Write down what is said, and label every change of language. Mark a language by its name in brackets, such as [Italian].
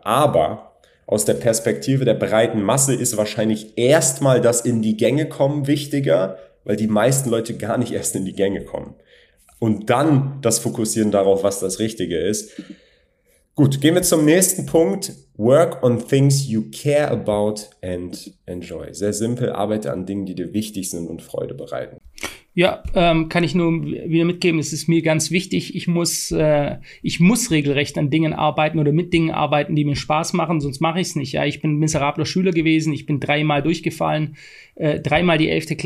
[German] Aber aus der Perspektive der breiten Masse ist wahrscheinlich erstmal das in die Gänge kommen wichtiger, weil die meisten Leute gar nicht erst in die Gänge kommen. Und dann das Fokussieren darauf, was das Richtige ist. Gut, gehen wir zum nächsten Punkt. [English] Work on things you care about and enjoy. [German] Sehr simpel, arbeite an Dingen, die dir wichtig sind und Freude bereiten. Ja, kann ich nur wieder mitgeben, es ist mir ganz wichtig, ich muss regelrecht an Dingen arbeiten oder mit Dingen arbeiten, die mir Spaß machen, sonst mache ich es nicht. Ja, ich bin ein miserabler Schüler gewesen, ich bin dreimal durchgefallen, dreimal die 11.